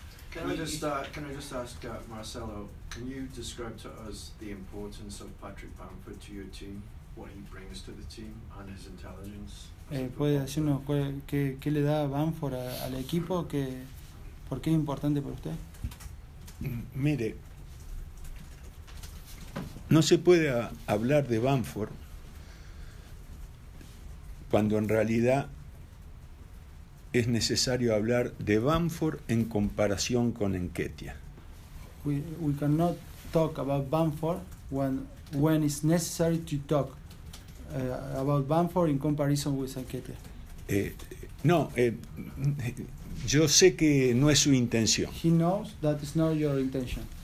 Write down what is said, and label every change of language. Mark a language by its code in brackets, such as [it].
[en] Can I just ask Marcelo, can you describe to us the importance of Patrick Bamford to your team, what he brings to the team and his intelligence? [es] Puede decirnos qué le da Bamford al equipo, que por qué es importante para usted. Mire, no se puede hablar de Bamford cuando en realidad es necesario hablar de Bamford en comparación con Nketiah. [en] We cannot talk about Bamford when it's necessary to talk about Bamford in comparison with Nketiah. [es] Yo sé que no es su intención. [en] He knows that it's not your intention.